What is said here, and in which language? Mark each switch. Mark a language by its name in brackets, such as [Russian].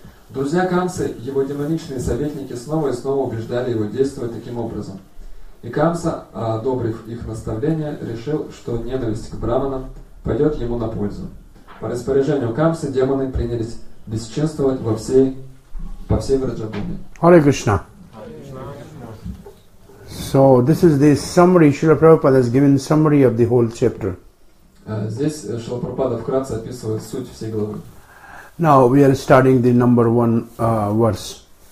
[Russian] Друзья Камсы, его демоничные советники, снова и снова убеждали его действовать таким образом. И Камса, одобрив их наставление, решил, что ненависть к браманам пойдет ему на пользу. По распоряжению Камсы демоны принялись бесчинствовать по всей Враджабуме. [Sanskrit] Hare Krishna. [English] So this is the summary. Srila Prabhupada has given summary of the whole chapter. [Russian] Здесь Шрила Прабхупада вкратце описывает суть всей главы. [English] Now we are starting the number one verse.